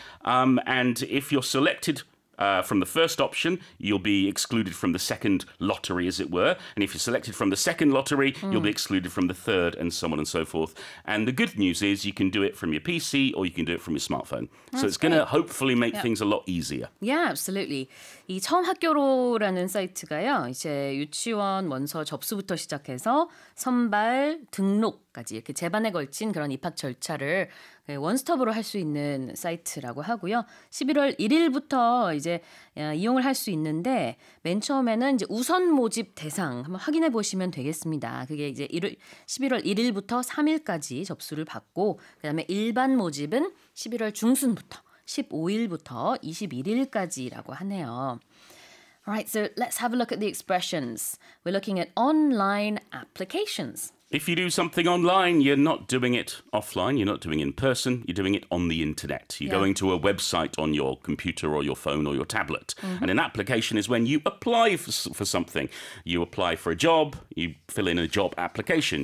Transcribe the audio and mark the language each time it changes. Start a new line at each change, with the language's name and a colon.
English: And if you're selected from the first option, you'll be excluded from the second lottery, as it were. And if you're selected from the second lottery, you'll be excluded from the third and so on and so forth. And the good news is you can do it from your PC or you can do it from your smartphone. That's so it's going to hopefully make things a lot easier. Yeah, absolutely.
Korean: 이 처음 학교로라는 사이트가요. 이제 유치원 원서 접수부터 시작해서 선발, 등록까지 이렇게 제반에 걸친 그런 입학 절차를 원스톱으로 할 수 있는 사이트라고 하고요. 11월 1일부터 이제 이용을 할 수 있는데 맨 처음에는 이제 우선 모집 대상 한번 확인해 보시면 되겠습니다. 그게 이제 11월 1일부터 3일까지 접수를 받고 그다음에 일반 모집은 11월 중순부터 15일부터 21일까지라고 하네요.
English: All right, so let's have a look at the expressions. We're looking at online applications. If you do something online, you're not doing it offline, you're not doing it in person, you're doing it on the internet. You're going to a website on your computer or your phone or your tablet. And an application is when you apply for something. You apply for a job, you fill in a job application.